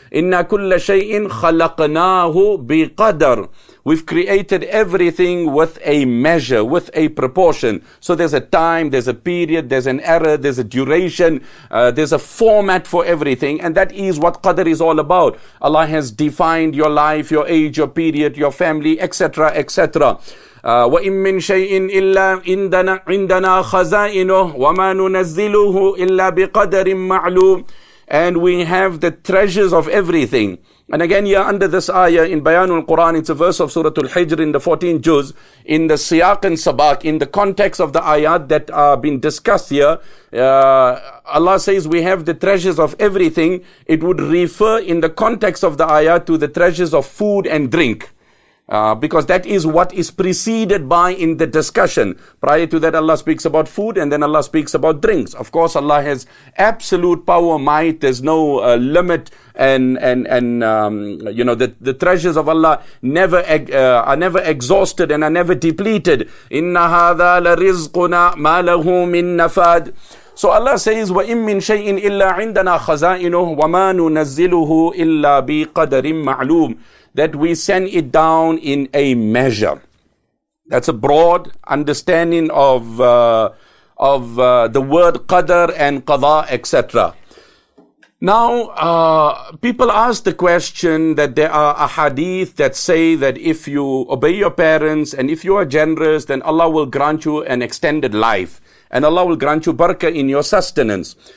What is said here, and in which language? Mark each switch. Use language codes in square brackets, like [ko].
[ar] إِنَّا كُلَّ شَيْءٍ خَلَقْنَاهُ بِقَدَرٍ [en] We've created everything with a measure, with a proportion. So there's a time, there's a period, there's an era, there's a duration, there's a format for everything. And that is what Qadr is all about. Allah has defined your life, your age, your period, your family, etc., etc. [ar] وَإِن مِّن شَيْءٍ إِلَّا عِنْدَنَا خَزَائِنُهُ وَمَا نُنَزِّلُهُ إِلَّا بِقَدَرٍ مَعْلُومٍ [en] And we have the treasures of everything. And again, here under this ayah in Bayanul Quran, it's a verse of Surah Al-Hijr in the 14 juz, in the siyaq and sabak, in the context of the ayat that are being discussed here, Allah says we have the treasures of everything. It would refer in the context of the ayah to the treasures of food and drink. Because that is what is preceded by in the discussion. Prior to that, Allah speaks about food and then Allah speaks about drinks. Of course, Allah has absolute power, might. There's no limit and the treasures of Allah are never exhausted and are never depleted. [ar] إِنَّ هَذَا لَرِزْقُنَا مَا لَهُ مِن نَفَادٍ [en] So Allah says, [ar] وَإِن مِّن شَيْءٍ إِلَّا عِنْدَنَا خَزَائِنُهُ وَمَا نُنَزِّلُهُ إِلَّا بِقَدَرٍ مَعْلُومٍ [en] That we send it down in a measure. That's a broad understanding of the word qadr and qada, etc. Now, people ask the question that there are a hadith that say that if you obey your parents and if you are generous, then Allah will grant you an extended life and Allah will grant you barakah in your sustenance.